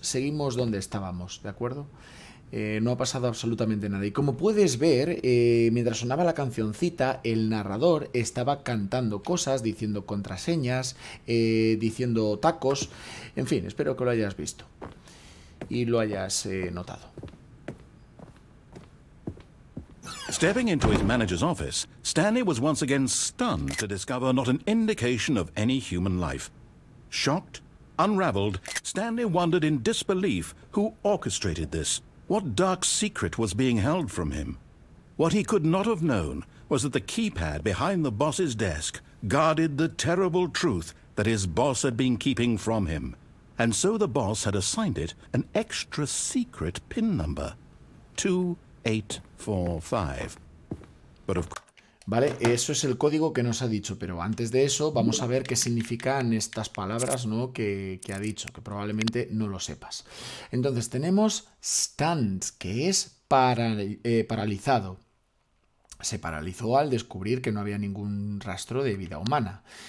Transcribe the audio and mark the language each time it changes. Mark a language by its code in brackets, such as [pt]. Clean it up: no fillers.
[es] Seguimos donde estábamos, ¿de acuerdo? No ha pasado absolutamente nada. Y como puedes ver, mientras sonaba la cancioncita, el narrador estaba cantando cosas, diciendo contraseñas, diciendo tacos. En fin, espero que lo hayas visto y lo hayas notado. [en] Stepping into his manager's office, Stanley was once again stunned to discover not an indication of any human life. Shocked, unraveled, Stanley wondered in disbelief who orchestrated this. What dark secret was being held from him? What he could not have known was that the keypad behind the boss's desk guarded the terrible truth that his boss had been keeping from him. And so the boss had assigned it an extra secret pin number, 2845. But of course. [es] Vale, eso es el código que nos ha dicho, pero antes de eso vamos a ver qué significan estas palabras, ¿no? Que ha dicho, que probablemente no lo sepas. Entonces tenemos stunned, que es paralizado. Se paralizó al descubrir que no había ningún rastro de vida humana.